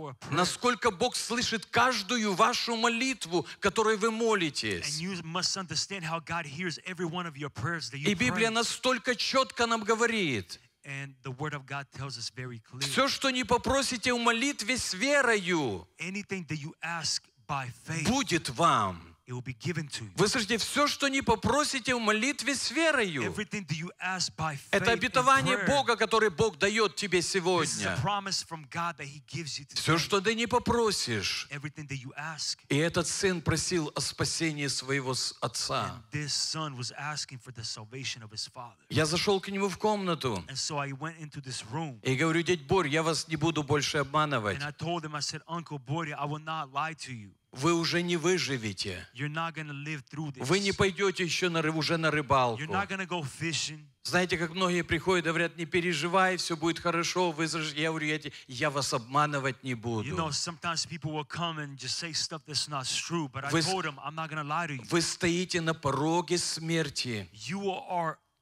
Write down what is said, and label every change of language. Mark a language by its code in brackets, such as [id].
[ru] Насколько Бог слышит каждую вашу молитву, которой вы молитесь. И Библия настолько четко нам говорит. [en] And the word of God tells us very clearly. [ru] Все, что не попросите в молитве с верою, [en] anything that you ask by faith, [ru] будет вам. [en] It will be given to you. [ru] Вы слышите, все, что не попросите в молитве с верою, [en] everything that you ask by faith, [ru] это обетование Бога, которое Бог дает тебе сегодня. [en] This is a promise from God that he gives you today. [ru] Все, что ты не попросишь, [en] everything that you ask, [ru] и этот сын просил о спасении своего отца. [en] And this son was asking for the salvation of his father. [ru] Я зашел к нему в комнату, [en] and so I went into this room, [ru] и говорю, дядь Борь, я вас не буду больше обманывать. [en] And I told him, I said, Uncle Borya, I will not lie to you. [ru] Вы уже не выживете. Вы не пойдете еще на рыбалку. Знаете, как многие приходят и говорят, не переживай, все будет хорошо. Я говорю, я вас обманывать не буду. Вы стоите на пороге смерти.